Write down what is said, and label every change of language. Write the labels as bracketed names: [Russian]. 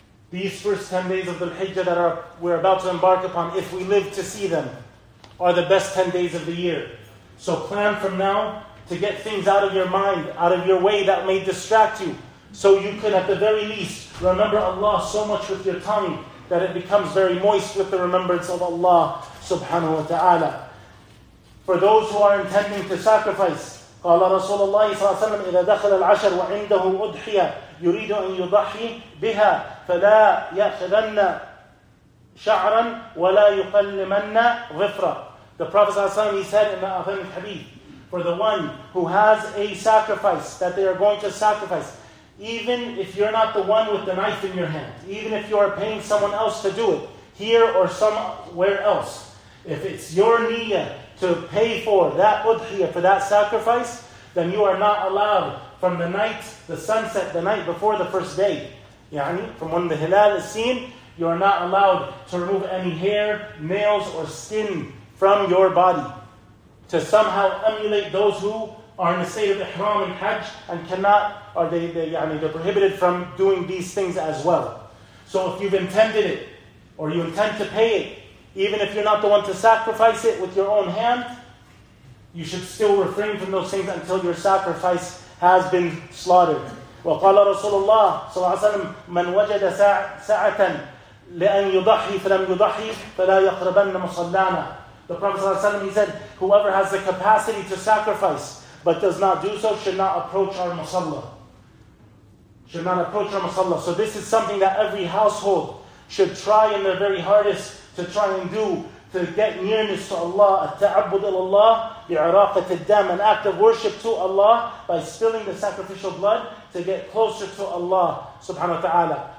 [English] These first 10 days of the Hijjah that we're about to embark upon, if we live to see them, are the best 10 days of the year. So plan from now to get things out of your mind, out of your way that may distract you, so you could at the very least remember Allah so much with your tongue that it becomes very moist with the remembrance of Allah subhanahu wa ta'ala. For those who are intending to sacrifice, [Arabic] قال رسول الله صلى الله عليه وسلم إذا دخل العشر وعنده أضحية يريد أن يضحي بها فلا يأخذن شعرا ولا يقلمن غفرة. [English] The Prophet [Arabic] صلى الله عليه وسلم, [English] he said in the authentic hadith, for the one who has a sacrifice that they are going to sacrifice, even if you're not the one with the knife in your hand, even if you are paying someone else to do it, here or somewhere else, if it's your niyyah to pay for that udhiyah, for that sacrifice, then you are not allowed from the night, the sunset, the night before the first day. Yani, from when the hilal is seen, you are not allowed to remove any hair, nails, or skin from your body to somehow emulate those who are in a state of ihram and hajj and cannot, or they're prohibited from doing these things as well. So if you've intended it, or you intend to pay it, even if you're not the one to sacrifice it with your own hand, you should still refrain from those things until your sacrifice has been slaughtered. [Arabic] وقال رسول الله صلى الله عليه وسلم من وجد ساعة لأن يضحي فلم يضحي فلا يقربن مصلانا. [English] The Prophet [Arabic] صلى الله عليه وسلم, [English] he said, whoever has the capacity to sacrifice but does not do so should not approach our musalla. should not approach Ramasallah. So this is something that every household should try in their very hardest to try and do, to get nearness to Allah, [Arabic] at-ta'abbud ila Allah, bi'iraqat ad-dam, [English] an act of worship to Allah by spilling the sacrificial blood to get closer to Allah subhanahu wa ta'ala.